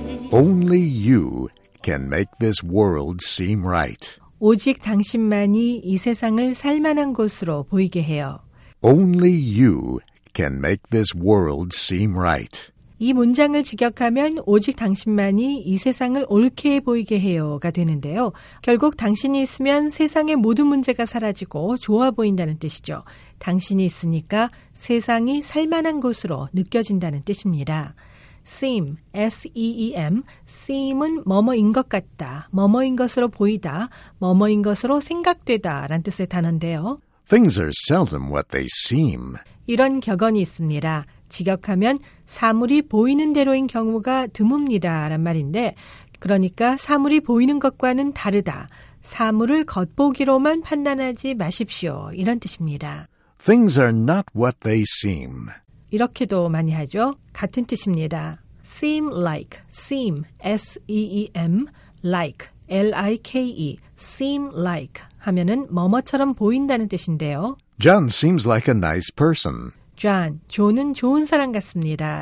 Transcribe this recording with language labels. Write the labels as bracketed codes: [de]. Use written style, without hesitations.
[en] Only you can make this world seem right. [ko] 오직 당신만이 이 세상을 살만한 곳으로 보이게 해요. [en] Only you can make this world seem right. [ko] 이 문장을 직역하면 오직 당신만이 이 세상을 옳게 보이게 해요가 되는데요. 결국 당신이 있으면 세상의 모든 문제가 사라지고 좋아 보인다는 뜻이죠. 당신이 있으니까 세상이 살만한 곳으로 느껴진다는 뜻입니다. Seem, S-E-E-M, seem은 뭐뭐인 것 같다, 뭐뭐인 것으로 보이다, 뭐뭐인 것으로 생각되다 라는 뜻의 단어인데요. [en] Things are seldom what they seem. [ko] 이런 격언이 있습니다. 직역하면 사물이 보이는 대로인 경우가 드뭅니다 라는 말인데, 그러니까 사물이 보이는 것과는 다르다. 사물을 겉보기로만 판단하지 마십시오. 이런 뜻입니다. [en] Things are not what they seem. [ko] 이렇게도 많이 하죠. 같은 뜻입니다. [en] Seem like, seem, S-E-E-M, like, L-I-K-E, seem like [ko] 하면은 뭐뭐처럼 보인다는 뜻인데요. [en] John seems like a nice person. [ko] John, 존은 좋은 사람 같습니다.